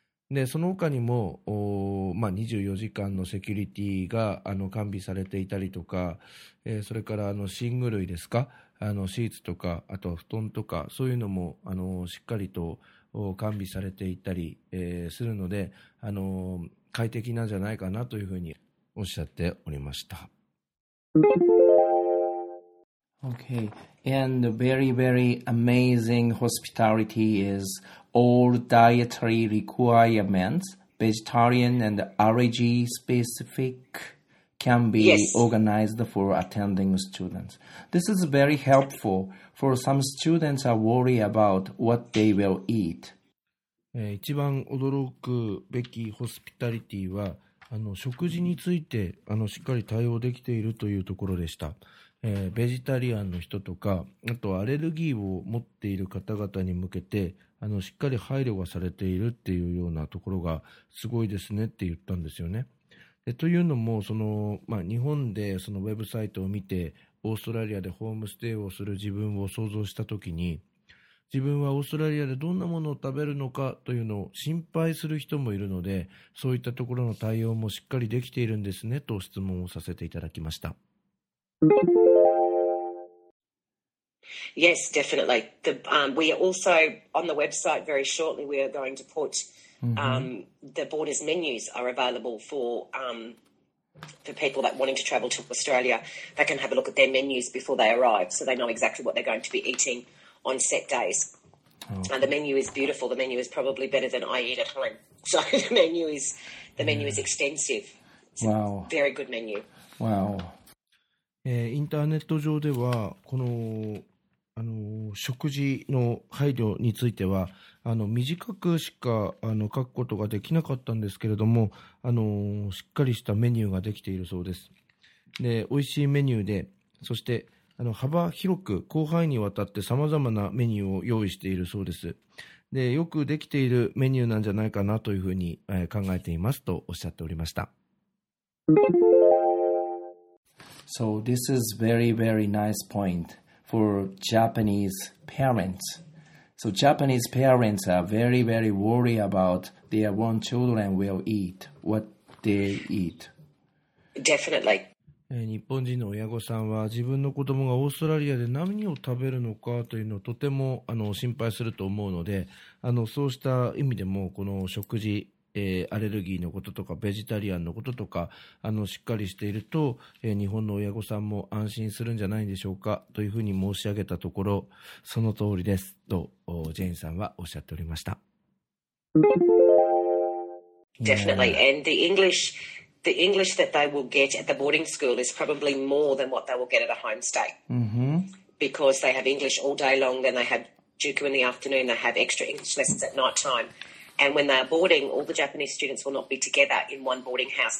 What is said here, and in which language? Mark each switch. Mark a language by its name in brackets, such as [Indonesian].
[Japanese] でその他にも、まあ、24時間のセキュリティがあの完備されていたりとか、それからあの寝具類ですか、あのシーツとかあとは布団とかそういうのもあのしっかりと完備されていたり、するので、快適なんじゃないかなというふうにおっしゃっておりました。 [English] Okay, and very, very amazing hospitality is all dietary requirements, vegetarian and allergy specific, can be organized for attending students. This is very helpful for some students are worried about what they will eat. [Japanese] 一番驚くべきホスピタリティはあの食事についてあのしっかり対応できているというところでした。ベジタリアンの人とか、あとアレルギーを持っている方々に向けて、しっかり配慮がされているっていうようなところがすごいですねって言ったんですよね。でというのも、日本でそのウェブサイトを見て、オーストラリアでホームステイをする自分を想像したときに、自分はオーストラリアでどんなものを食べるのかというのを心配する人もいるので、そういったところの対応もしっかりできているんですねと質問をさせていただきました。 [English] Yes, definitely. We are also on the website very shortly. We are going to put the borders menus are available for people that wanting to travel to Australia. They can have a look at their menus before they arrive, so they know exactly what they're going to be eating on set days. And the menu is beautiful. The menu is probably better than I eat at home. So the menu is extensive. It's a very good menu. Wow. [Japanese] インターネット上ではこの、食事の配慮については短くしか書くことができなかったんですけれども、しっかりしたメニューができているそうです。で、美味しいメニューで、そして幅広く広範囲にわたってさまざまなメニューを用意しているそうです。で、よくできているメニューなんじゃないかなというふうに考えていますとおっしゃっておりました。 [English] So this is very, very nice point for Japanese parents. So Japanese parents are very, very worried about their own children will eat what they eat. Definitely. [Japanese] 日本人の親御さんは自分の子供がオーストラリアで何を食べるのかというのをとても心配すると思うので、そうした意味でもこの食事、アレルギーのこととかベジタリアンのこととかしっかりしていると、日本の親御さんも安心するんじゃないでしょうかというふうに申し上げたところ、その通りですとジェーンさんはおっしゃっておりました。 [English] Definitely. And the English that they will get at the boarding school is probably more than what they will get at a home stay. Because they have English all day long, then they have juku in the afternoon, they have extra English lessons at night time. And when they are boarding, all the Japanese students will not be together in one boarding house.